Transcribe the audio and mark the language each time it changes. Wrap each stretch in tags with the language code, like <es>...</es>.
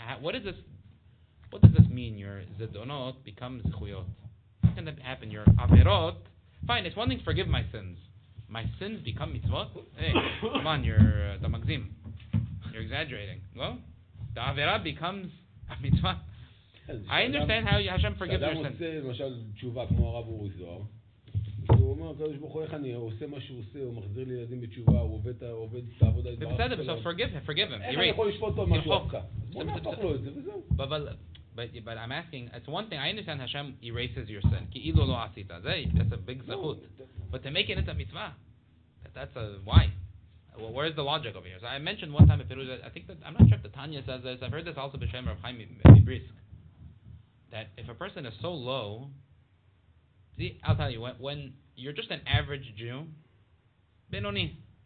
<en>What does this mean? Your zedonot become zechuyot. How can that happen? Your averot. Fine, it's one thing to forgive my sins. My sins become mitzvot. Hey, come on, you're the magzim. You're exaggerating. Well, the averah becomes a mitzvah. I understand how Hashem forgives your sins.</en> <he>אדם עושה, למשל, תשובה כמו הרב אורי זוהר, והוא אומר, קדוש ברוך הוא, איך אני עושה מה שהוא עושה, הוא מחזיר לי ילדים בתשובה, הוא עובד את העבודה. בסדר,</he> <en>so forgive him.</en> <he>איך אני יכול לשפוט אותו משהו אחר? בוא נהפוך לו את זה וזהו.</he> <en>But I'm asking, it's one thing, I understand Hashem erases your sin.</en> <he>כי אילו לא עשית,</he> <en>that's a big</en> <he>זכות.</he> <en>But to make it a mitzvah, that's a why. Well, where is the logic over here? So I mentioned one time, I'm not sure if the Tanya says this, I've heard this also B'Shem Rav Chaim Brisk. That if a person is so low, see, I'll tell you, when you're just an average Jew, benoni.</en>